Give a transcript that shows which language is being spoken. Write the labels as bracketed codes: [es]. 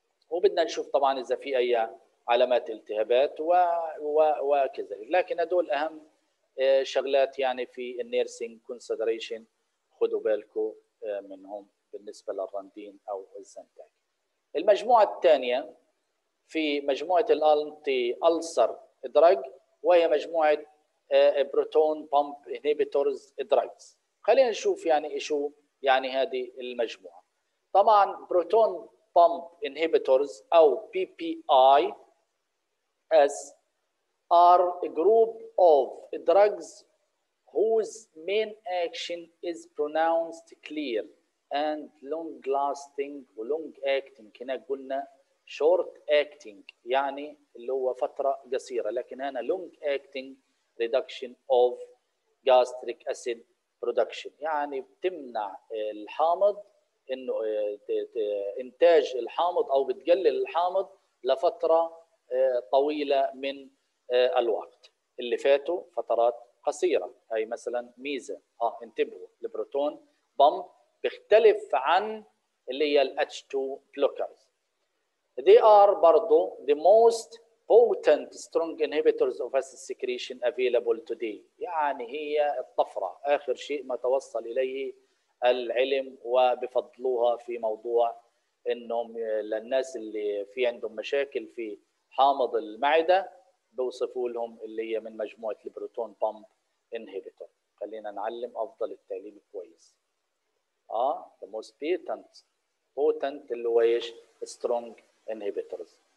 [ar] وبدنا نشوف طبعا إذا في أي علامات التهابات وكذا، لكن هدول أهم شغلات يعني في النيرسينج كونسيدريشن، خدوا بالكم منهم بالنسبة للرندين أو الزنتاج. المجموعة الثانية في مجموعة الأنتي ألسر دراج، وهي مجموعة بروتون بامب إنهيبيتورز دراجز. خلينا نشوف يعني إيشو يعني هذه المجموعة. [en] طبعا proton pump inhibitors أو PPI S are a group of drugs whose main action is pronounced clear and long lasting long acting. [ar] كنا قلنا short acting يعني اللي هو فترة قصيرة، لكن هنا [en] long acting reduction of gastric acid production، [ar] يعني بتمنع الحامض انه انتاج الحامض او بتقلل الحامض لفترة طويلة من الوقت، اللي فاتوا فترات قصيرة. هاي مثلا ميزة انتبهوا، البروتون بام بيختلف عن اللي هي الH2 blockers. [en] They are برضو the most potent strong inhibitors of acid secretion available today. [ar] يعني هي الطفرة، آخر شيء ما توصل إليه العلم وبفضلوها في موضوع إنهم للناس اللي في عندهم مشاكل في حامض المعدة بوصفوا لهم اللي هي من مجموعة البروتون بامب انهيبيتور. خلينا نعلم أفضل التعليم كويس. [en] The most potent [ar] اللي هو إيش؟ [en] strong inhibitors.